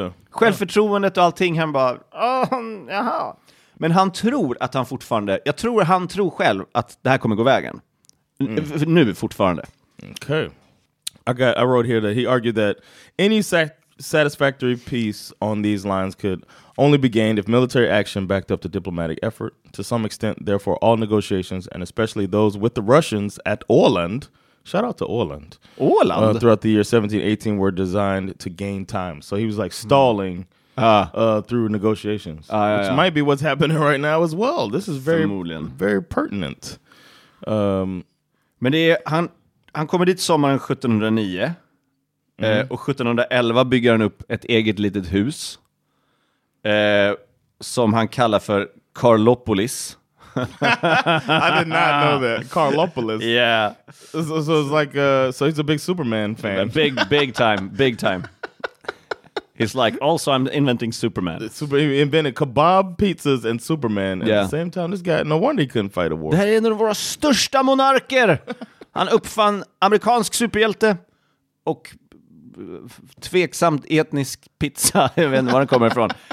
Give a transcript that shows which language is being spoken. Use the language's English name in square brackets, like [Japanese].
[Swedish] Självförtroendet och allting, han bara... jaha. Men han tror att han fortfarande... Jag tror han tror själv att det här kommer gå vägen. Nu fortfarande. [English] Okay. I wrote here that he argued that any satisfactory peace on these lines could only be gained if military action backed up the diplomatic effort. To some extent, therefore, all negotiations, and especially those with the Russians at Åland... Shout out to Åland. Åland? Throughout the year 1718 were designed to gain time. So he was like stalling... Through negotiations. Which might be what's happening right now as well. This is very, very pertinent. [Swedish] Men det är, han kommer dit sommaren 1709. Mm. Och 1711 bygger han upp ett eget litet hus. Som han kallar för Karlopolis. [English] I did not know that. Karlopolis. Yeah. So it's like so he's a big Superman fan. A big time, big time. He's like, also I'm inventing Superman. He invented kebab pizzas and Superman at the same time. This guy, no wonder he couldn't fight a war. [Swedish] Det här är en av våra största monarker. Han uppfann amerikansk superhjälte och tveksamt etnisk pizza. Jag vet inte var den kommer ifrån.